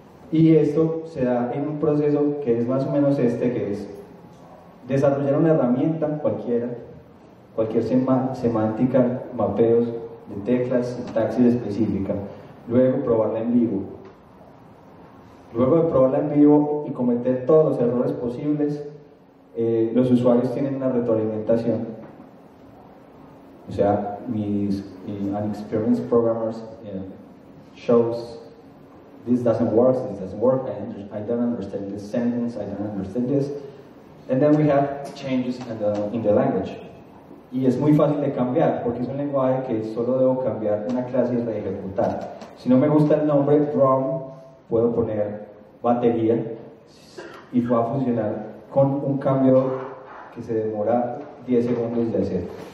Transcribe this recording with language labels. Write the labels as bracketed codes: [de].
[es] Y esto se da en un proceso que es más o menos este, que es desarrollar una herramienta cualquiera, cualquier semántica, mapeos de teclas, sintaxis específica, luego probarla en vivo. Luego de probarla en vivo y cometer todos los errores posibles, los usuarios tienen una retroalimentación. O sea, mis [en] inexperienced programmers shows this doesn't work, I don't understand this sentence, I don't understand this. And then we have changes in the language. [es] Y es muy fácil de cambiar, porque es un lenguaje que solo debo cambiar una clase y reejecutar. Si no me gusta el nombre, drum, puedo poner batería, y va a funcionar con un cambio que se demora 10 segundos de hacer.